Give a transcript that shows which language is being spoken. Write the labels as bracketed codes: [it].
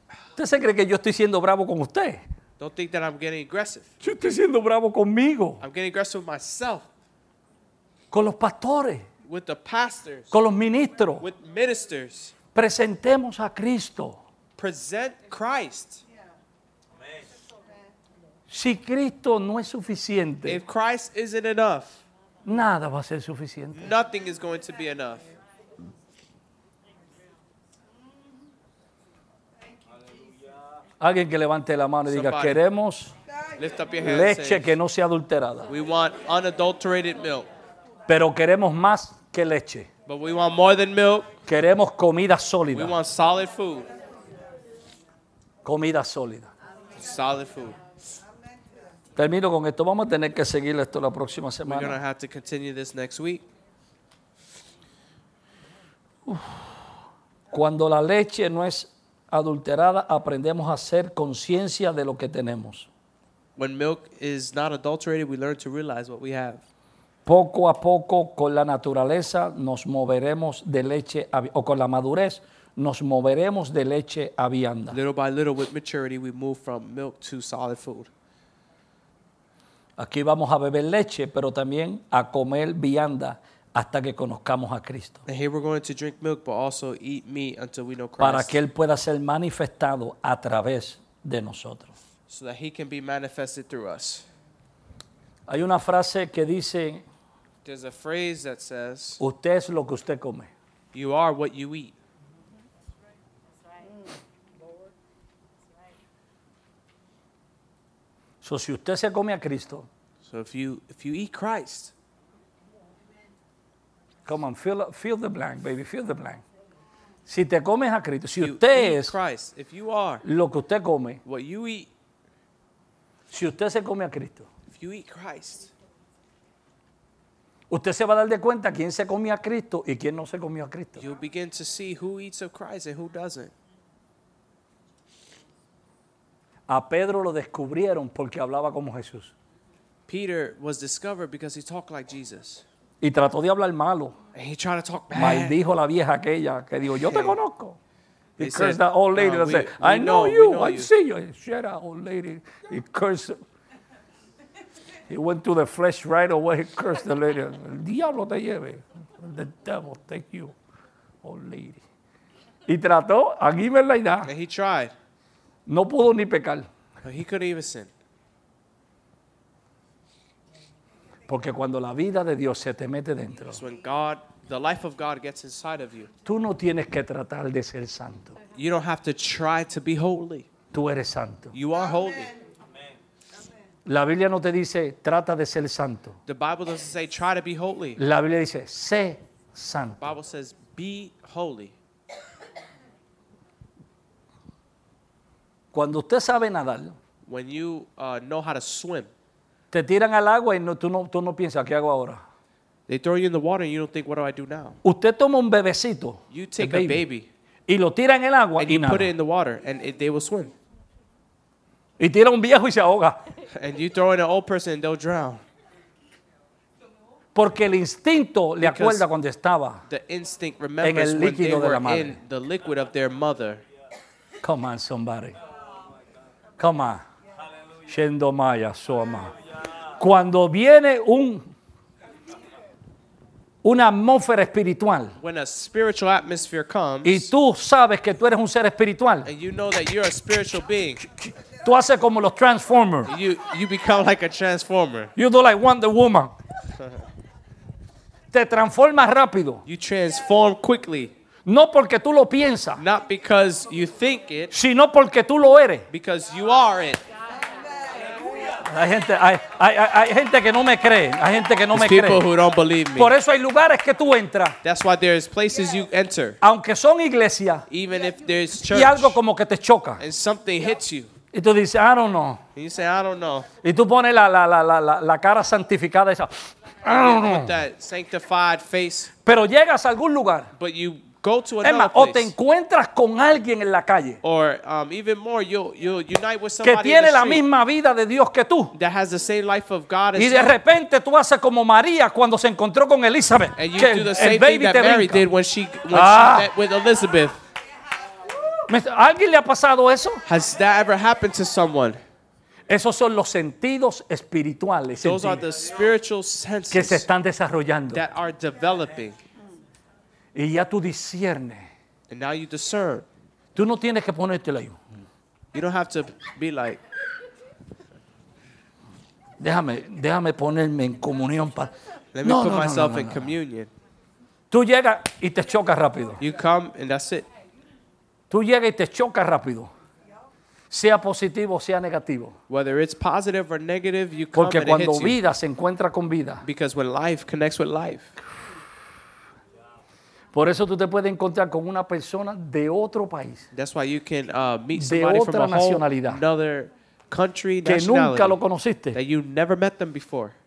[es] ¿Usted se cree que yo estoy siendo bravo con usted? [en] Don't think that I'm getting aggressive. [es] Yo estoy siendo bravo conmigo. [en] I'm getting aggressive with myself. [es] Con los pastores. [en] with the pastors, [es] con los ministros, [en] with ministers. [es] Presentemos a Cristo. [en] Present Christ. [es] Si Cristo no es suficiente, [en] if Christ isn't enough, [es] nada va a ser suficiente. [en] Nothing is going to be enough. [es] Alguien que levante la mano y diga, queremos leche que no sea adulterada. [en] We want unadulterated milk. [es] Pero queremos más que leche. [en] But we want more than milk. [es] Queremos comida sólida. [en] We want solid food. [es] Comida sólida. [en] Solid food. [es] Termino con esto. Vamos a tener que seguir esto la próxima semana. [en] We're going to have to continue this next week. [es] Cuando la leche no es adulterada, aprendemos a hacer conciencia de lo que tenemos. [en] When milk is not adulterated, we learn to realize what we have. [es] Poco a poco, con la naturaleza, nos moveremos de leche, o con la madurez, nos moveremos de leche a vianda. [en] Little by little, with maturity, we move from milk to solid food. [es] Aquí vamos a beber leche, pero también a comer vianda hasta que conozcamos a Cristo. [en] And here we're going to drink milk, but also eat meat until we know Christ. [es] Para que Él pueda ser manifestado a través de nosotros. [en] So that He can be manifested through us. [es] Hay una frase que dice, [en] there's a phrase that says, [es] usted es lo que usted come. [en] You are what you eat. [es] So, si usted se come a Cristo, [en] so if you eat Christ, come on, fill the blank, baby, fill the blank. [es] Si te comes a Cristo, si usted es [en] Christ, if you are [es] lo que usted come, [en] what you eat, [es] si usted se come a Cristo, [en] if you eat Christ, [es] usted se va a dar de cuenta quién se comió a Cristo y quién no se comió a Cristo. [en] You begin to see who eats of Christ and who doesn't. [es] A Pedro lo descubrieron porque hablaba como Jesús. [en] Peter was discovered because he talked like Jesus. [es] Y trató de hablar malo. [en] And he tried to talk bad. [es] Maldijo la vieja aquella que dijo, yo te conozco. [en] He cursed that old lady. I know you. Shut up, old lady. He cursed. He went to the flesh right away. He cursed the lady. [es] El diablo te lleve. [en] The devil take you, old lady. [es] Y trató, aquí me la idea. [en] And he tried. [es] No pudo ni pecar. [en] But he couldn't even sin. [es] Porque cuando la vida de Dios se te mete dentro, [en] so when God, the life of God gets inside of you, [es] tú no tienes que tratar de ser santo. [en] You don't have to try to be holy. [es] Tú eres santo. [en] You are holy. [es] La Biblia no te dice, trata de ser santo. [en] The Bible doesn't say, try to be holy. [es] La Biblia dice, sé santo. [en] The Bible says, be holy. [es] Cuando usted sabe nadar, [en] when you know how to swim, [es] te tiran al agua y no, tú no piensas, ¿qué hago ahora? [en] They throw you in the water and you don't think, what do I do now? [es] Usted toma un bebecito, [en] you take a baby, [es] y lo tira en el agua y nada. [en] And you put it in the water and they will swim. [es] Y tira un viejo y se ahoga. [en] And you throw in an old person and they'll drown. [es] Porque el instinto le acuerda cuando estaba [en] the instinct remembers [es] en el líquido de la madre. [en] In the liquid of their mother. Come on, somebody. Come on. Shendo Maya, so am I. [es] Cuando viene una atmósfera espiritual, [en] when a spiritual atmosphere comes, [es] y tú sabes que tú eres un ser espiritual, [en] and you know that you're a spiritual being, [es] tú haces como los Transformers. [en] You become like a Transformer. You do like Wonder Woman. [es] Te transformas rápido. [en] You transform quickly. [es] No porque tú lo piensas. [en] Not because you think it. [es] Sino porque tú lo eres. [en] Because you are it. [es] Hay gente que no me cree. Hay gente que no me cree. [en] People who don't believe me. [es] Por eso hay lugares que tú entras. [en] That's why there's places you enter. [es] Aunque son iglesias. [en] Even if there's church. [es] Y algo como que te choca. [en] And something hits you. [es] Y tú dices, [en] I don't know. And you say, I don't know. [es] Y tú pones la cara santificada esa. [en] I don't know. With that sanctified face. [es] Pero llegas a algún lugar. [en] But you go to another place. [es] O te encuentras con alguien en la calle. [en] Or even more, you unite with somebody [es] que tiene [en] in the [es] la misma vida de Dios que tú. [en] That has the same life of God as [es] y de repente tú haces como María cuando se encontró con Elizabeth. [en] And you do the same thing that Mary did when she met with Elizabeth. [es] ¿Alguien le ha pasado eso? [en] Has that ever happened to someone? [es] Esos son los sentidos espirituales. [en] Those are the spiritual senses [es] que se están desarrollando. [en] That are developing. [es] Y ya tú discernes. [en] And now you discern. [es] Tú no tienes que ponerte la [en] You don't have to be like. [es] Déjame ponerme en comunión para. [en] Let me put myself in communion. [es] Tú llegas y te chocas rápido. [en] You come and that's it. [es] Tú llegas y te chocas rápido. Sea positivo o sea negativo. [en] Whether it's positive or negative, you come [es] Porque [en] and [es] cuando [en] it hits [es] vida [en] you. [es] Se encuentra con vida. [en] Because when life connects with life. [es] Por eso tú te puedes encontrar con una persona de otro país. [en] That's why you can meet somebody from a [es] nacionalidad. [en] Whole another country, [es] que nunca lo conociste. [en] That you never met them before.